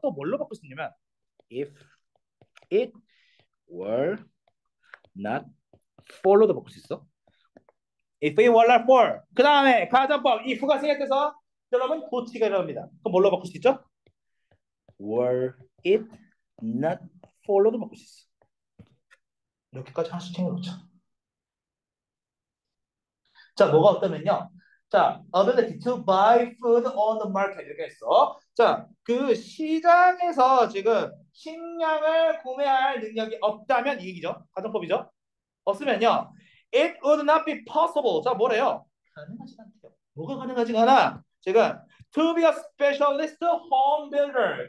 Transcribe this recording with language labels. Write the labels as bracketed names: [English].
[Korean] 또 뭘로 바꿀 수 있냐면 [English] if it were not for [Korean] 로도 바꿀 수 있어. [English] If it were not for. [Korean] 그 다음에 가정법 if가 생략돼서 여러분 도치가 일어납니다. 그럼 뭘로 바꿀 수 있죠? [English] Were it not for [Korean] 로도 바꿀 수 있어. 이렇게까지 하나씩 챙겨놓자. 자, 뭐가 어떠면요? [English] 자, ability to buy food on the market [Korean] 이렇게 했어. 자, 그 시장에서 지금 식량을 구매할 능력이 없다면 이익이죠. 가정법이죠. 없으면요, [English] it would not be possible. [Korean] 자, 뭐래요? 가능하지가 않대요. 뭐가 가능하지가 않아? 지금 [English] to be a specialist home builder.